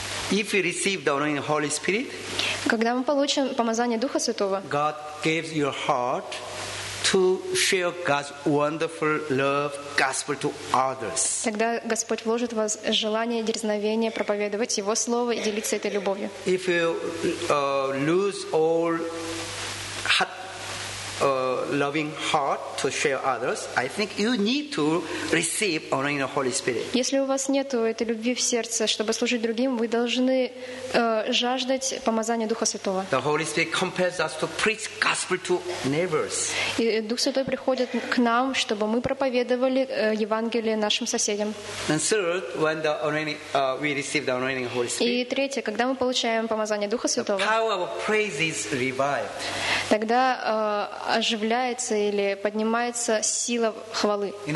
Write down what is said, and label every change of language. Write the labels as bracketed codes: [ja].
[en] If we receive the anointing of the Holy Spirit, [ru] когда мы получим помазание Духа Святого, [en] God gives your heart to share God's wonderful love gospel to others. [ru] Тогда Господь вложит в вас желание, дерзновение проповедовать Его слово и делиться этой любовью. [en] If you lose all heart, loving heart to share others, I think you need to receive anointing of the Holy Spirit. [ru] Если у вас нету этой любви в сердце, чтобы служить другим, вы должны жаждать помазания Духа Святого. [en] The Holy Spirit compels us to preach gospel to neighbors. [ru] И Дух Святой приходит к нам, чтобы мы проповедовали Евангелие нашим соседям. [en] And third, when the anointing we receive the anointing of the Holy Spirit. [ru] И третье, когда мы получаем помазание Духа Святого. [en] The power of praise is revived. [ru] Тогда оживляется или поднимается сила хвалы.